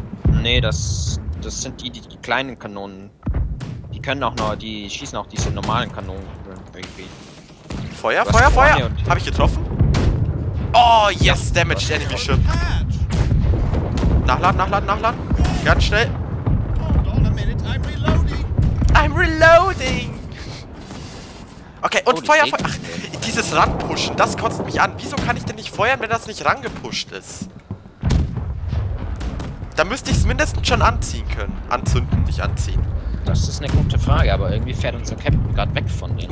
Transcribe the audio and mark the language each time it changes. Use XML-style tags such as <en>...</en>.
<de>Nee, das sind die kleinen Kanonen. Die schießen auch diese normalen Kanonen. irgendwie. Feuer, Feuer, Feuer! Hab ich getroffen? Oh, yes! Ja.</de> <en>Damaged Enemy Ship.</en> <de>Nachladen, nachladen, nachladen. Ganz schnell.</de> <en>Hold on a minute, I'm reloading! I'm reloading!</en> <de>Okay, und oh, Feuer, Feuer! Ach, dieses Ranpushen, das kotzt mich an. Wieso kann ich denn nicht feuern, wenn das nicht rangepusht ist? Da müsste ich es mindestens schon anziehen können. Anzünden, nicht anziehen. Das ist eine gute Frage, aber irgendwie fährt unser Captain gerade weg von denen.</de>